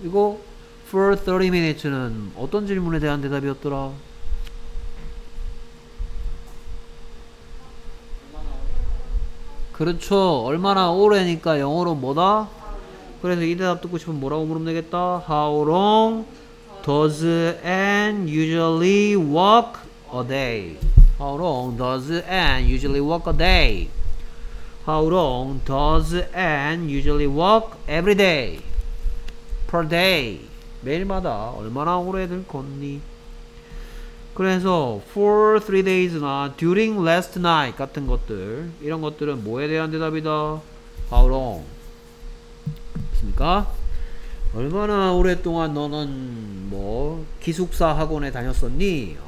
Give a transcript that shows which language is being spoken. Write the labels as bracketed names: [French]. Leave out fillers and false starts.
[Korean] 이거 [English] for 30 minutes [Korean] 는 어떤 질문에 대한 대답이었더라? 그렇죠. 얼마나 오래니까 영어로 뭐다? 그래서 이 대답 듣고 싶으면 뭐라고 물으면 되겠다? [English] How long does Anne usually walk a day? How long does Anne usually walk a day? How long does Anne usually walk every day? Per day. [Korean] 매일마다 얼마나 오래들 걷니? 그래서 [English] for 3 days [Korean] 나 [English] during last night [Korean] 같은 것들 이런 것들은 뭐에 대한 대답이다? [English] How long? [Korean] 그렇습니까? 얼마나 오랫동안 너는 뭐 기숙사 학원에 다녔었니?